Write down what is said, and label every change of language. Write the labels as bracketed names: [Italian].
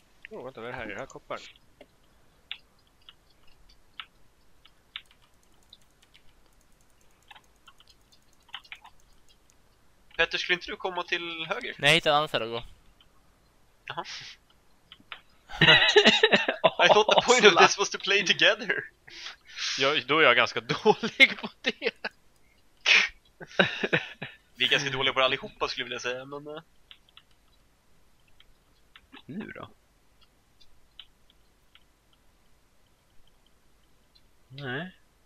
[Swedish] Oh, vänta, vad är det här? Är det här kopparn? Petter, skulle inte du komma till höger? Nej, jag hittade annat här att gå. [English] Jaha. I thought the point of this was to play together. [Swedish] Jag, då är jag ganska dålig på det. Vi är ganska dåliga på det allihopa skulle jag vilja säga, men... Nu då? Nej.